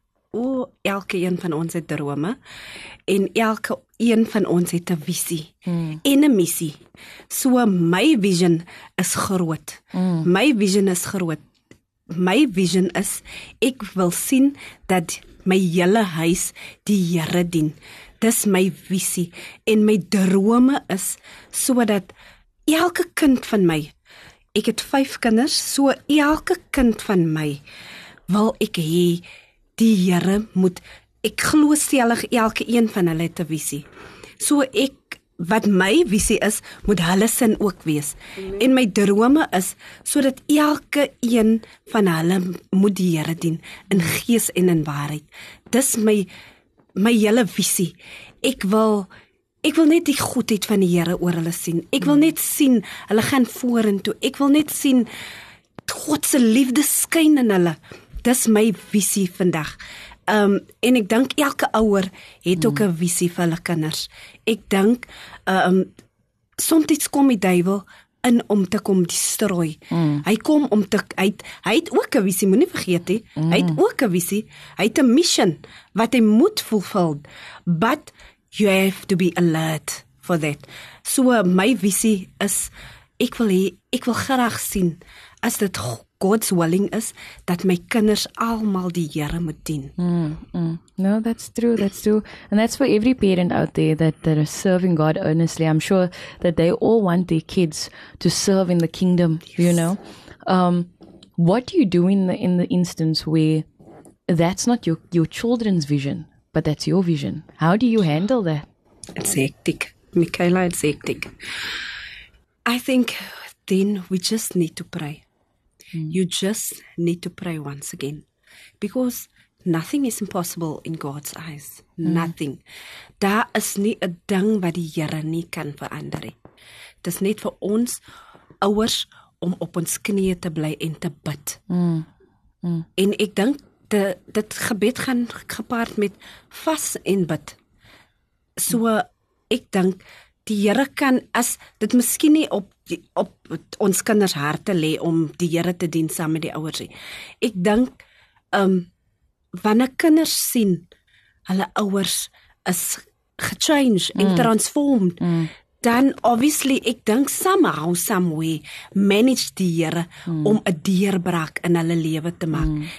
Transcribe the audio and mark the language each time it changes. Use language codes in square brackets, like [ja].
[af] O, elke een van ons het drome. En elke een van ons het 'n visie en 'n missie. So my vision is groot. My vision is groot. My vision is, ek wil sien dat my hele huis die Here dien. Dis my visie en my drome is sodat elke kind van my, ek het 5 kinders, so elke kind van my wil ek hê die Here moet, ek glo stellig elke een van hulle het 'n visie. So ek, wat my visie is, moet hulle sin ook wees. En my drome is, sodat elke een van hulle moet die Here dien, in gees en in waarheid. Dis my hele visie. Ek wil net die goedheid van die Here oor hulle sien. Ek wil net sien, hulle gaan vorentoe. Ek wil net sien, God se liefde skyn in hulle. Dis my visie vandag. En ek dink elke ouer het ook 'n visie vir hulle kinders. Ek dink soms kom die duiwel in om te kom destrooi. Hy kom om te hy het ook 'n visie, moenie vergeet nie. Hy het ook 'n visie. Hy het 'n mission wat hy moet vervul. [en] But you have to be alert for that. [af] So my visie is ek wil graag sien as dit [en] God's willing [af] is dat my kinders almal die Here moet dien. [en] No, that's true. That's true. And that's for every parent out there that are serving God earnestly. I'm sure that they all want their kids to serve in the kingdom, yes. You know. What do you do in the instance where that's not your children's vision, but that's your vision? How do you handle that? It's hectic. Michaela is hectic. I think then we just need to pray. You just need to pray once again. Because nothing is impossible in God's eyes. Nothing. [af] Daar is nie 'n ding wat die Here nie kan verander nie. Dis net vir ons ouers om op ons knieë te bly en te bid. En ek dink dit gebed gaan gepaard met vas en bid. So ek dink die Here kan as dit miskien nie op ons kinders harte lê om die Here te dien saam met die ouers nie. Ek dink wanneer kinders sien hulle ouers is gechange en transformed, dan obviously ek dink somehow somewhere manage die Here om 'n deurbraak in hulle lewe te maak.